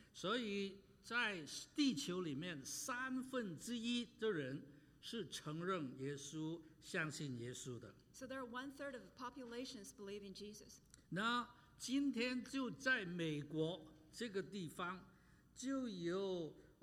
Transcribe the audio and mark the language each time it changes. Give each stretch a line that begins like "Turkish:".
Chinese: 所以在地球里面，三分之一的人是承认耶稣、相信耶稣的。
English: So there are 1/3 of the populations believe in Jesus.
Chinese: 那今天就在美国这个地方，就有